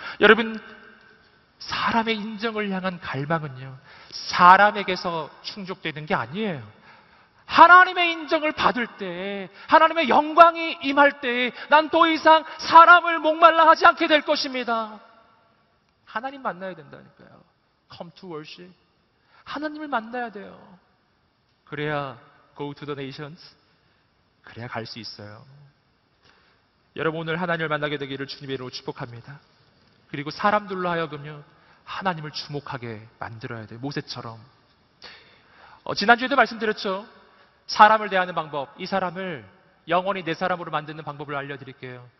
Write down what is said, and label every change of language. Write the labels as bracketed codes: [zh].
[ko] 여러분, 사람의 인정을 향한 갈망은요, 사람에게서 충족되는 게 아니에요. 하나님의 인정을 받을 때, 하나님의 영광이 임할 때, 난 더 이상 사람을 목말라 하지 않게 될 것입니다. 하나님 만나야 된다니까요. [en] Come to worship. [ko] 하나님을 만나야 돼요. 그래야 [en] go to the nations. [ko] 그래야 갈 수 있어요. 여러분, 오늘 하나님을 만나게 되기를 주님의 이름으로 축복합니다. 그리고 사람들로 하여금요, 하나님을 주목하게 만들어야 돼요. 모세처럼. 지난주에도 말씀드렸죠. 사람을 대하는 방법, 이 사람을 영원히 내 사람으로 만드는 방법을 알려드릴게요.